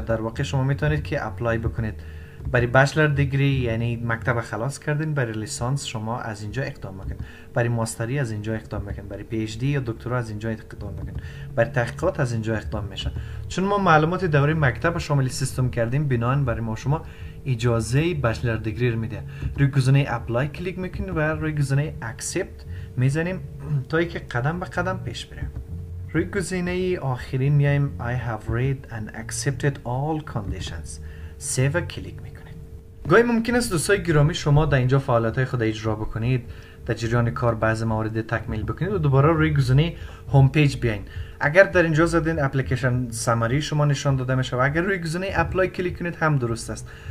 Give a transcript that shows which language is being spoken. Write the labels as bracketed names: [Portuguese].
[Persian] در واقع شما میتونید که اپلای بکنید برای بچلر دیگری، یعنی مکتب خلاص کردین، برای لیسانس شما از اینجا اقدام میکنید، برای ماستری از اینجا اقدام میکنید، برای پی اچ دی یا دکترا از اینجا اقدام میکنید، برای تحقیقات از اینجا اقدام میشه. چون ما معلومات دوره مکتب شامل سیستم کردیم، بناهن برای ما شما اجازه بچلر دیگری رو میده. روی گزینه اپلای کلیک میکنید و روی گزینه اکسپت میزنیم تا اینکه قدم به قدم پیش بره. روی گزینه آخرین میایم [English] I have read and accepted all conditions. [Persian] سیو کلیک میکنید. گاهی ممکن است دوستای گرامی شما در اینجا فعالیت های خود اجرا بکنید، در جریان کار بعض موارد تکمیل بکنید و دوباره روی گزینه هوم پیج بیاین. اگر در اینجا زدین اپلیکیشن سامری شما نشان داده میشه و اگر روی گزینه اپلای کلیک کنید هم درست است.